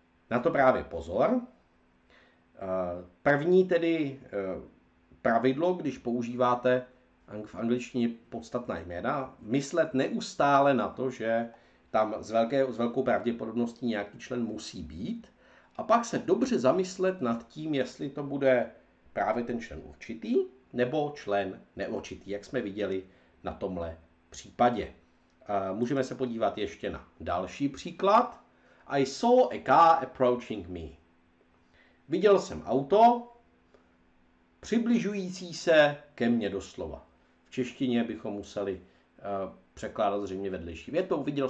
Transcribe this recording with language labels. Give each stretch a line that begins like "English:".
Czech: Na to právě pozor. První tedy pravidlo, když používáte v angličtině podstatná jména, myslet neustále na to, že tam s velkou pravděpodobností nějaký člen musí být, a pak se dobře zamyslet nad tím, jestli to bude právě ten člen určitý nebo člen neurčitý, jak jsme viděli na tomhle případě. Můžeme se podívat ještě na další příklad.
English: I saw a car approaching me.
Czech: Viděl jsem auto, přibližující se ke mně doslova. V češtině bychom museli překládat zřejmě vedlejší větou.